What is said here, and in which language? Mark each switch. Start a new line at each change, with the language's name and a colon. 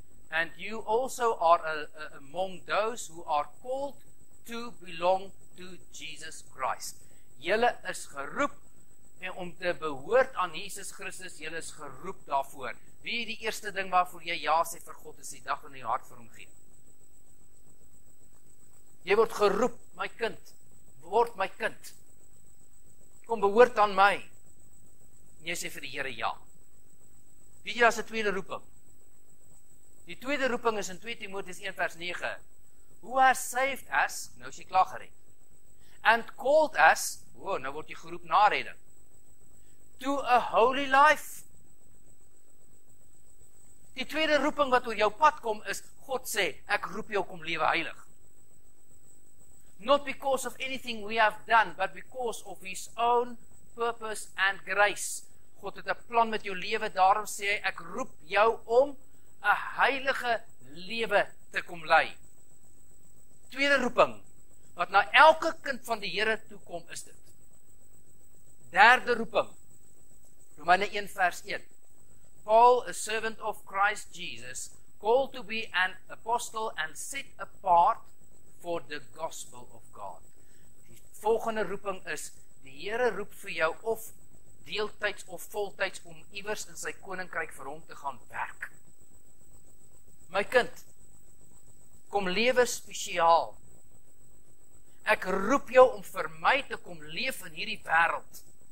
English: And you also are among those who are called to belong to Jesus Christ.
Afrikaans: Julle is geroep en om te behoort aan Jesus Christus, julle is geroep daarvoor. Wie die eerste ding waarvoor jy ja sê vir God is die dag in jou hart vir hom gee. Jy word geroep, my kind, word my kind. Kom behoort aan my. En jy sê vir die Here ja. Wie jy as die tweede roeping? Die tweede roeping is in 2 Timoteus 1 vers 9.
English: Who has saved us,
Afrikaans: nou is jy klaar gered,
English: and called us,
Afrikaans: nou word jy geroep na redding,
English: to a holy life.
Afrikaans: Die tweede roeping wat oor jou pad kom is, God sê, ek roep jou kom lewe heilig.
English: Not because of anything we have done, but because of his own purpose and grace.
Afrikaans: God het 'n plan met jou lewe, daarom sê hy, ek roep jou om 'n heilige lewe te kom lei. Tweede roeping, wat na elke kind van die Here toe kom, is dit. Derde roeping, Romeine 1 vers 1.
English: Paul, a servant of Christ Jesus, called to be an apostle and set apart for the gospel of God.
Afrikaans: Die volgende roeping is, die Here roep vir jou of deeltyds of voltyds om iewers in sy koninkryk vir hom te gaan werk. My kind, kom lewe spesiaal. Ek roep jou om vir my te kom leef in hierdie wêreld.